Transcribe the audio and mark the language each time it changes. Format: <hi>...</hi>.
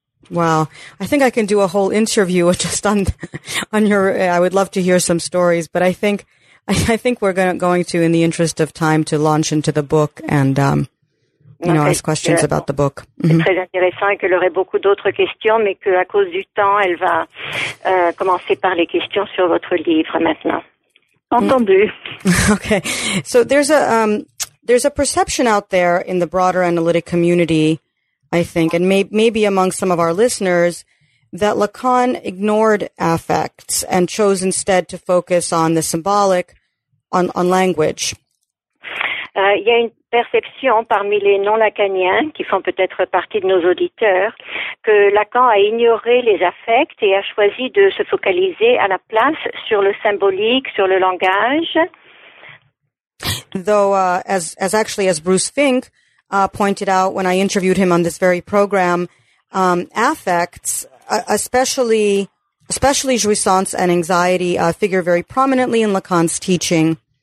<en>Wow, I think I can do a whole interview just on your. I would love to hear some stories, but I think we're going to, in the interest of time, to launch into the book and ask questions about the book. Mm-hmm.</en> <fr>C'est très intéressant, et qu'elle aurait beaucoup d'autres questions, mais que à cause du temps, elle va commencer par les questions sur votre livre maintenant. Entendu.</fr> <en>Okay, so there's a perception out there in the broader analytic community, I think, and maybe among some of our listeners, that Lacan ignored affects and chose instead to focus on the symbolic, on language.</en> <fr>Il y a une perception parmi les non-lacaniens, qui font peut-être partie de nos auditeurs, que Lacan a ignoré les affects et a choisi de se focaliser à la place sur le symbolique, sur le langage.</fr> <en>Though, as Bruce Fink pointed out when I interviewed him on this very program, affects, especially jouissance and anxiety, figure very prominently in Lacan's teaching.</en>